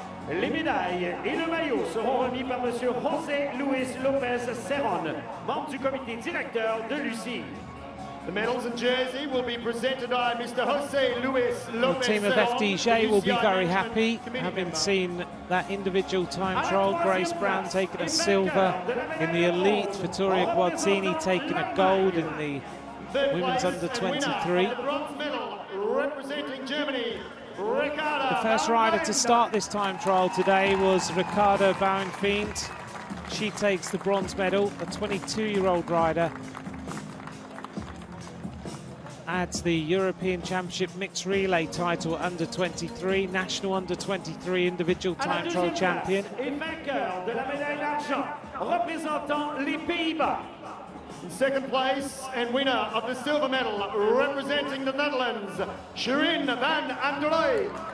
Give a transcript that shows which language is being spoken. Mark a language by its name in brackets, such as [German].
[French] Les médailles et le maillot seront remis par Monsieur José Luis López Cerón, membre du comité directeur de l'UCI. [English] The medals and jersey will be presented by Mr. Jose Luis Lopez. The team of FDJ will be very happy, having seen that individual time trial. Grace Brown taking a silver in the elite. Vittoria Guazzini taking a gold in the women's under 23. The bronze medal representing Germany, Ricarda. The first rider to start this time trial today was Ricarda Bauenfeind. She takes the bronze medal, a 22-year-old rider. At the European Championship mixed relay title under 23, national under 23 individual time trial champion. [French] Et vainqueur de la médaille d'argent, représentant les Pays-Bas. [English] In second place and winner of the silver medal, representing the Netherlands, Shireen Van Amrooy.